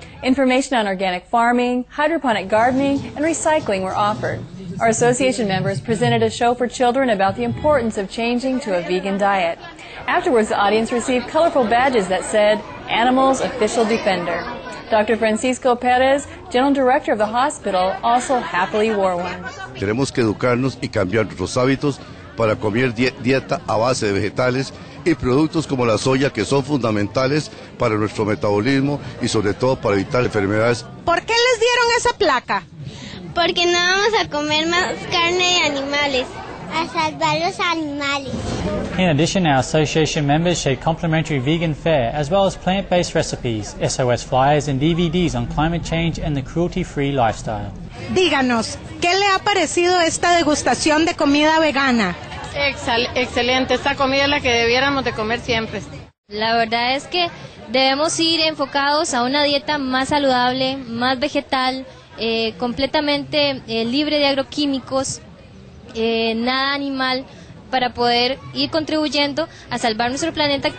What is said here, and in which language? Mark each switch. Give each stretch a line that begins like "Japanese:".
English: Information on organic farming, hydroponic gardening, and recycling were offered. Our association members presented a show for children about the importance of changing to a vegan diet. Afterwards, the audience received colorful badges that said, Animals Official Defender. Dr. Francisco Perez, general director of the hospital, also happily wore one.
Spanish: Tenemos que educarnos y cambiar nuestros hábitos para comer dieta a base de vegetales y productos como la soya, que son fundamentales para nuestro metabolismo y sobre todo para evitar enfermedades. ¿Por qué les dieron esa placa? Porque no vamos a comer más carne de animales. A salvar los animales.
English: In addition, our association members shared complimentary vegan fare as well as plant-based recipes, SOS flyers and DVDs on climate change and the cruelty-free lifestyle.
Spanish: Díganos, ¿qué le ha parecido esta degustación de comida vegana? Excelente, esta comida es la que debiéramos de comer siempre. La verdad es que debemos ir enfocados a una dieta más saludable, más vegetal, completamente libre de agroquímicos, nada animal, para poder ir contribuyendo a salvar nuestro planeta.